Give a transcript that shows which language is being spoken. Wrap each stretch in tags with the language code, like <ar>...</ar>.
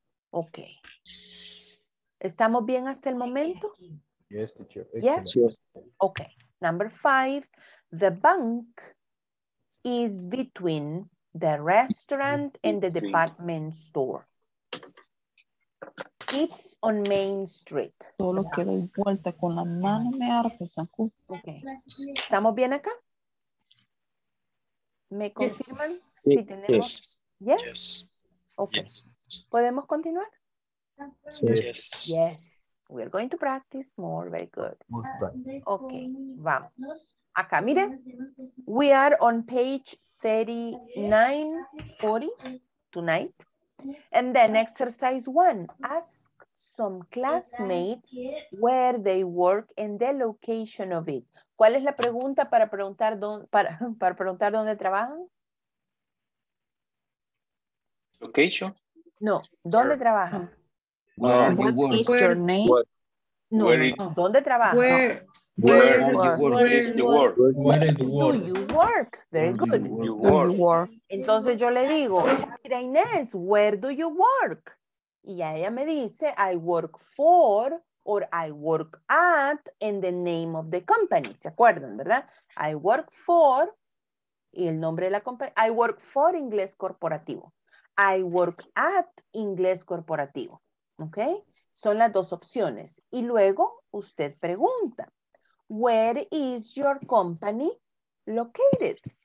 <es>Ok. ¿Estamos bien hasta el momento?</es> <en>Yes, teacher. Yes? Ok. Number five, the bank is between the restaurant and the department store. It's on Main Street.</en> <es>Todo lo que doy vuelta con la mano me arde, okay. ¿Estamos bien acá? ¿Me confirman?</es> <en>Yes.</en> <es>Si tenemos.</es> <en>Yes. Yes. Okay. Yes.</en> <es>¿Podemos continuar?</es> <en>Yes. Yes. We're going to practice more. Very good. Okay.</en> <es>Vamos. Acá, miren.</es> <en>We are on page 39-40 tonight. And then exercise one, ask some classmates where they work and the location of it.</en> <es>¿Cuál es la pregunta para preguntar preguntar dónde trabajan?</es> <en>Location.</en> <es>No, ¿dónde trabajan?</es> <en>Where do you work?</en> <es>Entonces yo le digo, Shakira Inés,</es> <en>where do you work?</en> <es>Y ella me dice,</es> <en>I work for, or I work at, and the name of the company.</en> <es>¿Se acuerdan, verdad?</es> <en>I work for,</en> <es>y el nombre de la compañía.</es> <en>I work for Inglés Corporativo. I work at Inglés Corporativo. ¿Ok?</en> <es>Son las dos opciones. Y luego usted pregunta,</es> <en>where is your company located?</en>